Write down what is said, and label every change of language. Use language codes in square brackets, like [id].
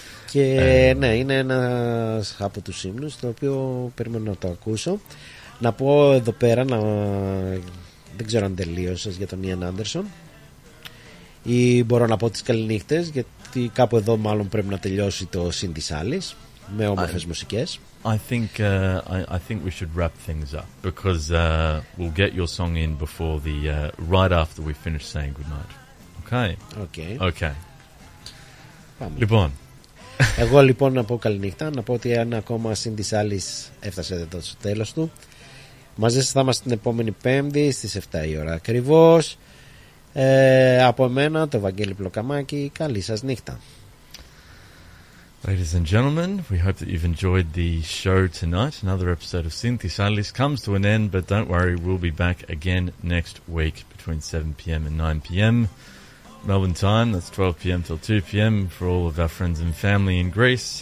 [el] Και ναι, είναι ένας από τους ύμνους, το οποίο περιμένω να το ακούσω. Να πω εδώ πέρα, να... Δεν ξέρω αν τελείωσες για τον Ian Anderson ή μπορώ να πω τις καληνύχτες, γιατί κάπου εδώ μάλλον πρέπει να τελειώσει το Συν της Άλλης με όμορφες μουσικές. [en] I think we should wrap things up because we'll get your song in before the right after we finish saying goodnight. Okay. [el] Πάμε. Λοιπόν. Εγώ λοιπόν να πω καληνύχτα, να πω ότι ένα ακόμα Συν της Άλλης έφτασε εδώ στο τέλος του. Μαζί σας θα είμαστε την επόμενη Πέμπτη στις 7 η ώρα ακριβώς. Από εμένα, το Βαγγέλη Πλοκαμάκη, καλή σας νύχτα. [en] Ladies and gentlemen, we hope that you've enjoyed the show tonight. Another episode of Synthis Alice comes to an end, but don't worry, we'll be back again next week between 7 PM and 9 PM. Melbourne time, that's 12 PM till 2 PM for all of our friends and family in Greece.